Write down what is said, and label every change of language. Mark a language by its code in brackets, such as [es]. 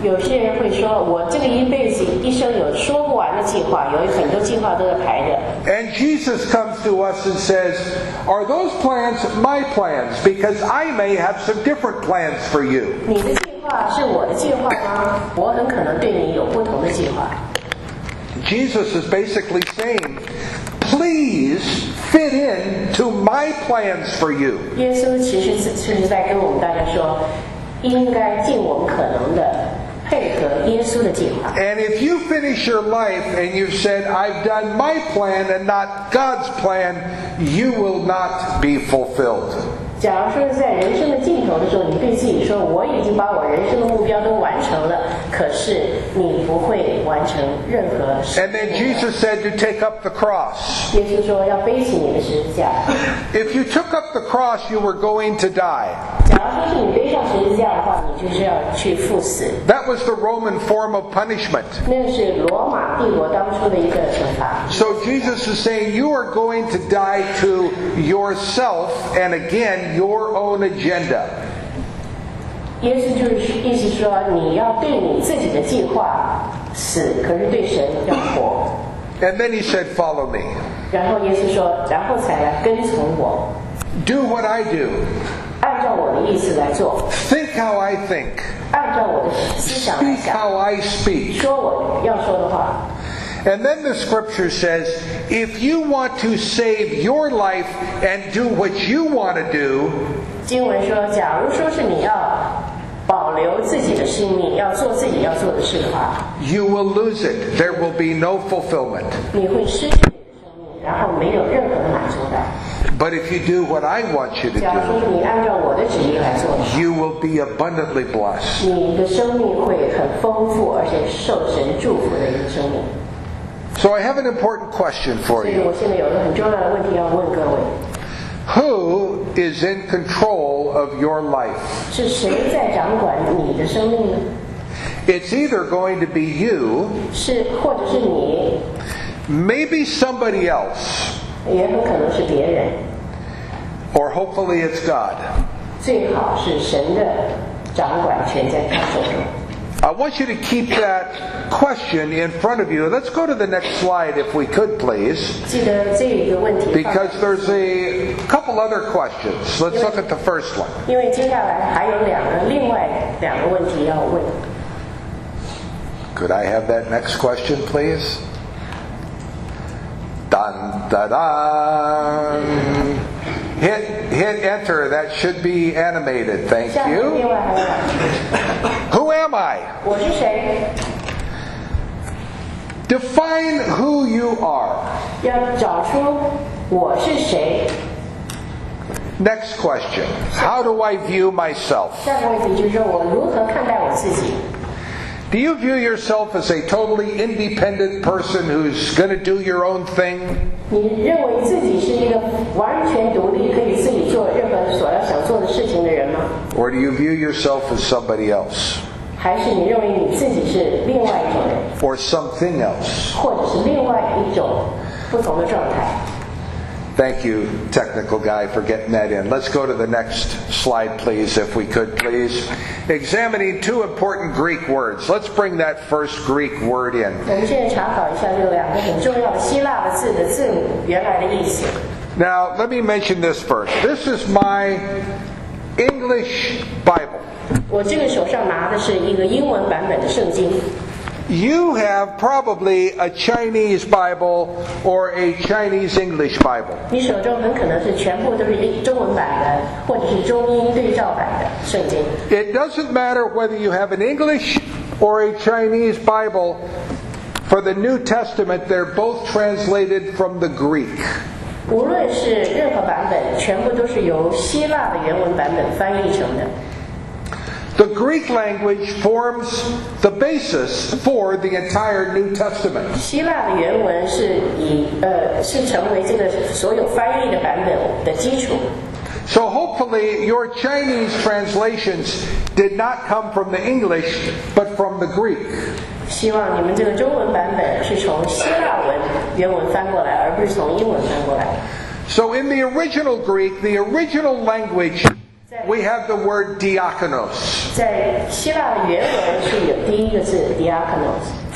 [zh] 有些人会说，我这个一辈子一生有说不完的计划，有很多计划都在排着。 [en] And Jesus comes to us and says, "Are those plans my plans? Because I may have some different plans for you." [zh] 你的计划是我的计划吗？我很可能对你有不同的计划。 [en] Jesus is basically saying, "Please fit in to my plans for you." [zh] 耶稣其实是在跟我们大家说，应该尽我们可能的配合耶稣的计划。 [en] And if you finish your life and you've said, "I've done my plan and not God's plan," you will not be fulfilled. [zh] 假如说在人生的尽头的时候，你对自己说，我已经把我人生的目标都完成了，可是你不会完成任何事。 [en] And then Jesus said to take up the cross. [zh] 耶稣说要背起你的十字架。 [en] If you took up the cross, you were going to die. That was the Roman form of punishment. [zh] 那是罗马帝国当初的一个惩罚。 [en] So Jesus is saying, you are going to die to yourself and again your own agenda. [zh] 耶稣就是意思说，你要对你自己的计划死，可是对神要活。 [en] And then he said, follow me. [zh] 然后耶稣说，然后才来跟从我。 [en] Do what I do. [zh] 按照我的意思来做。 [en] Think how I think. [zh] 按照我的思想来想。 [en] Speak how I speak. [zh] 说我要说的话。 [en] And then the scripture says, if you want to save your life and do what you want to do, [zh] 经文说，假如说是你要保留自己的生命，要做自己要做的事的话， [en] you will lose it. There will be no fulfillment. [zh] 你会失去你的生命，然后没有任何的满足感。 [en] But if you do what I want you to do, [zh] 假如说你按照我的旨意来做， [en] you will be abundantly blessed. [zh] 你的生命会很丰富，而且受神祝福的一个生命。 [en] So I have an important question for you. [zh] 所以我现在有一个很重要的问题要问各位。 [en] Who is in control of your life? [zh] 是谁在掌管你的生命呢？ [en] It's either going to be you, [zh] 是或者是你， [en] maybe somebody else. [zh] 也很可能是别人。 [en] Or hopefully it's God. [zh] 最好是神的掌管权在他手中。 [en] I want you to keep that question in front of you. Let's go to the next slide if we could, please. [zh] 记得这一个问题。 [en] Because there's a couple other questions. Let's look at the first one. [zh] 因为接下来还有另外两个问题要问。 [en] Could I have that next question, please? Dun, da, dun. Hit enter. That should be animated. Thank you. Who am I? [zh] 我是谁？ [en] Define who you are. [zh] 要找出我是谁。 [en] Next question. How do I view myself? [zh] 下个问题就是我如何看待我自己。 [en] Do you view yourself as a totally independent person who's going to do your own thing? [zh] 你认为自己是一个完全独立可以自己做任何所要想做的事情的人吗？ [en] Or do you view yourself as somebody else? [zh] 还是你认为你自己是另外一种人？ [en] Or something else? [zh] 或者是另外一种不同的状态。 [en] Thank you, technical guy, for getting that in. Let's go to the next slide, please, if we could, please. Examining two important Greek words. Let's bring that first Greek word in. [zh] 我们现在查考一下这两个很重要的希腊的字的字母原来的意思。 [en] Now, let me mention this first. This is my English Bible. [zh] 我这个手上拿的是一个英文版本的圣经。 [en] You have probably a Chinese Bible or a Chinese English Bible. [zh] 你手中很可能是全部都是中文版的，或者是中英对照版的圣经。 [en] It doesn't matter whether you have an English or a Chinese Bible. For the New Testament, they're both translated from the Greek. [zh] 无论是任何版本，全部都是由希腊的原文版本翻译成的。 [en] The Greek language forms the basis for the entire New Testament. [zh] 希腊的原文是是成为这个所有翻译的版本的基础。 [en] So hopefully your Chinese translations did not come from the English, but from the Greek. [zh] 希望你们这个中文版本是从希腊文原文翻过来，而不是从英文翻过来。 [en] So in the original Greek, the original language We have the word diakonos. [zh] 在希腊原文是有第一个字 diakonos。